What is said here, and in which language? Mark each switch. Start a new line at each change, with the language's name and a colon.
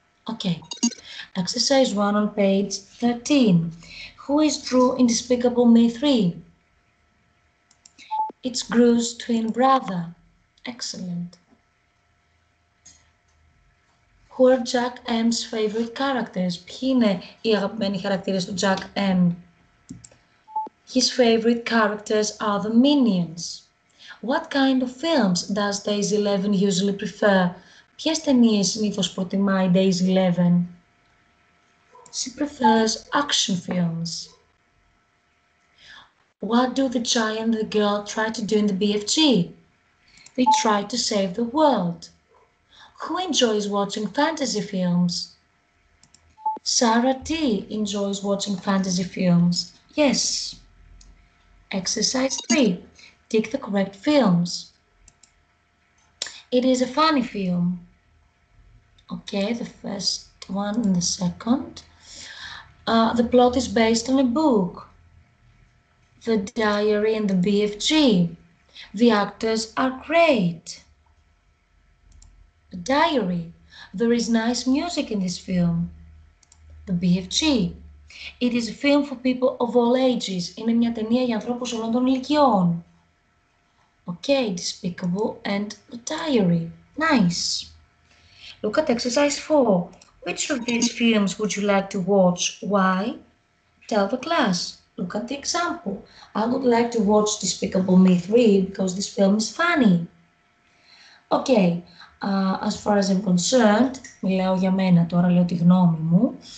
English: Okay, exercise 1 on page 13. Who is Drew in Despicable Me 3? It's Gru's twin brother. Excellent. Who are Jack M's favorite characters?
Greek: Ποιοι είναι οι αγαπημένοι χαρακτήρες του Jack M?
English: His favorite characters are the Minions. What kind of films does Daisy Levin usually prefer?
Greek: Ποιες ταινίες συνήθως προτιμάει Daisy Levin?
English: She prefers action films. What do the giant and the girl try to do in the BFG? They try to save the world. Who enjoys watching fantasy films? Sarah T enjoys watching fantasy films. Yes. Exercise 3. Tick the correct films. It is a funny film. Okay, the first one and the second. The plot is based on a book. The diary and the BFG. The actors are great. The diary. There is nice music in this film. The BFG. It is a film for people of all ages.
Greek: Είναι μια ταινία για ανθρώπους όλων των ηλικιών.
English: Okay, Despicable and The Diary. Nice. Look at exercise 4. Which of these films would you like to watch? Why? Tell the class. Look at the example. I would like to watch Despicable Me 3 because this film is funny. Okay, as far as I'm concerned,
Greek: μιλάω για μένα τώρα, λέω τη γνώμη μου.